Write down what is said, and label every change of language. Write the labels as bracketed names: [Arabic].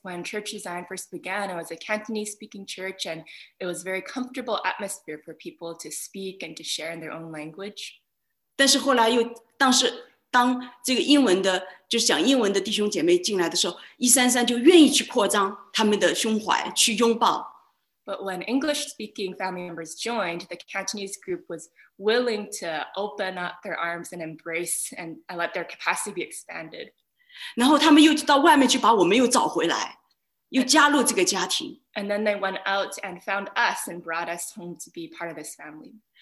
[English] when Church Design first began, it was a Cantonese-speaking church, and it was a very comfortable atmosphere for people to speak and to share in their own language. [Chinese] 但是后来又，当时当这个英文的就讲英文的弟兄姐妹进来的时候，一三三就愿意去扩张他们的胸怀，去拥抱。 [English] But when English-speaking family members joined, the Cantonese group was willing to open up their arms and embrace and let their capacity be expanded. [Chinese] 然后他们又到外面去把我们又找回来，又加入这个家庭。 [English] And then they went out and found us and brought us home to be part of this family.